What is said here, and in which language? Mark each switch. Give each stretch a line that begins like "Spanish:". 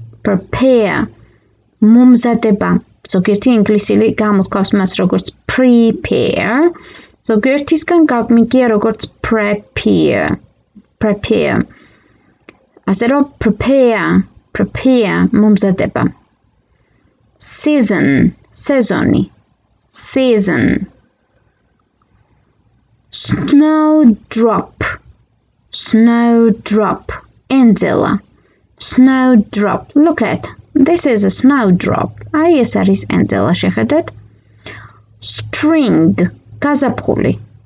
Georgian: Prepare მომზადება. ზოგიერთი ინგლისელი გამოთქვას მას როგორც prepare, ზოგიერთისგან გაგმიგია როგორც prepare. ასე რომ prepare მომზადება.
English: Season snowdrop ენძელა. Snowdrop, look at this is a snowdrop.
Georgian: აი ეს არის ენძელა, შეხედეთ. Spring გაზაფხული.